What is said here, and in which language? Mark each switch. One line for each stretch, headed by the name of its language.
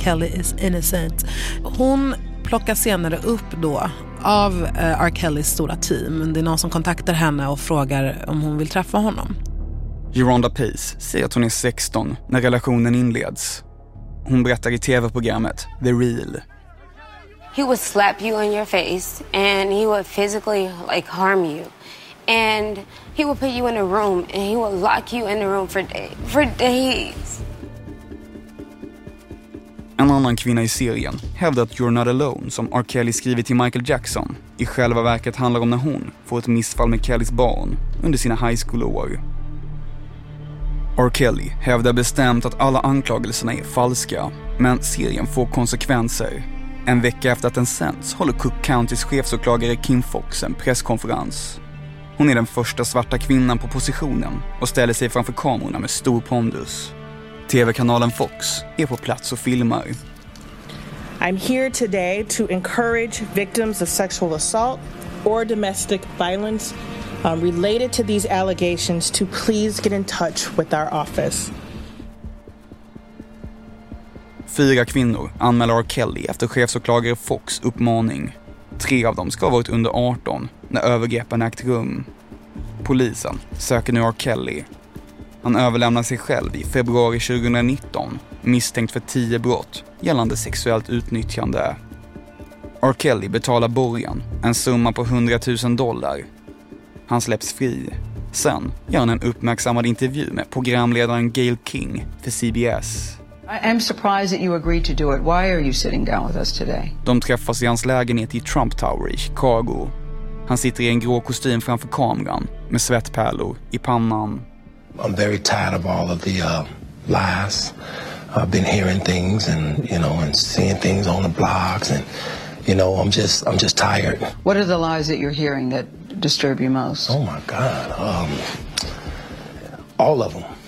Swedish: Kelly
English: is innocent.
Swedish: Hon plockas senare upp då av R. Kellys stora team. Det är någon som kontaktar henne och frågar om hon vill träffa honom. Geronda Pace säger att hon är 16 när relationen inleds. Hon berättar i tv-programmet The Real.
English: He would slap you in your face and he would physically like harm you. And he would put you in a room and he would lock you in a room for days.
Swedish: En annan kvinna i serien hävdar att You're Not Alone, som R. Kelly skrivit till Michael Jackson, i själva verket handlar om när hon får ett missfall med Kellys barn under sina high school år. R. Kelly hävdar bestämt att alla anklagelserna är falska, men serien får konsekvenser. En vecka efter att den sänds håller Cook Countys chefsåklagare Kim Fox en presskonferens. Hon är den första svarta kvinnan på positionen och ställer sig framför kamerorna med stor pondus. TV-kanalen Fox är på plats och filmar.
English: I'm here today to encourage victims of sexual assault or domestic violence related to these allegations to please get in touch with our office.
Swedish: 4 kvinnor anmäler R. Kelly efter chefsåklagare Fox uppmaning. 3 av dem ska ha varit under 18 när övergreppen ägt rum. Polisen söker nu R. Kelly. Han överlämnar sig själv i februari 2019 misstänkt för 10 brott gällande sexuellt utnyttjande. R. Kelly betalar borgen en summa på $100,000. Han släpps fri. Sen gör han en uppmärksammad intervju med programledaren Gayle King för CBS.
English: I am surprised that you agreed to do it. Why are you sitting down with us today?
Swedish: De träffas i hans lägenhet i Trump Tower i Chicago. Han sitter i en grå kostym framför kameran med svettpärlor i pannan.
English: I'm very tired of all of the lies. I've been hearing things and, you know, and seeing things on the blogs and, you know, I'm just tired. What are the lies that you're hearing that disturb you most? Oh my god. All of them.